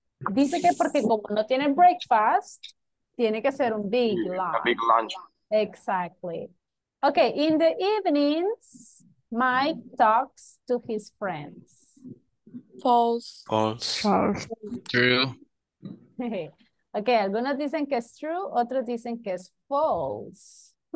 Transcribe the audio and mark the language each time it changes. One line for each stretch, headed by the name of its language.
Spanish: Dice que porque como no tiene breakfast, tiene que ser un big lunch.
English: A big lunch. Exactly. Okay. In the evenings, Mike talks to his friends. False. False. False. True.
Spanish: Okay, algunos dicen que es true, otros dicen que es false.